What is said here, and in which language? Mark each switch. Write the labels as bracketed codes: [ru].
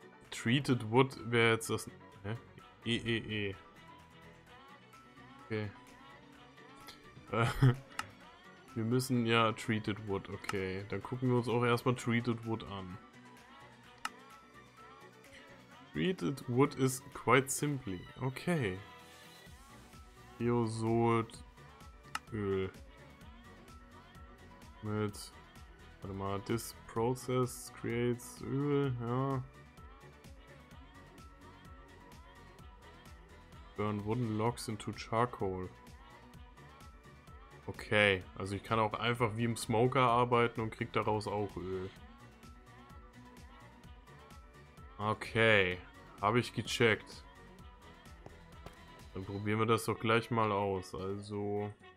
[de] Treated Wood wäre jetzt das... Hä? EEE. Okay. Wir müssen ja Treated Wood, okay. Dann gucken wir uns auch erstmal Treated Wood an. [en] Treated Wood is quite simply. [de] Okay. Kreosot Öl. Mit. Warte mal. [en] This process creates [de] Öl. Ja. [en] Burn wooden logs into charcoal. Okay. [de] Also ich kann auch einfach wie im Smoker arbeiten und krieg daraus auch Öl. Okay. Habe ich gecheckt. Dann probieren wir das doch gleich mal aus. Also.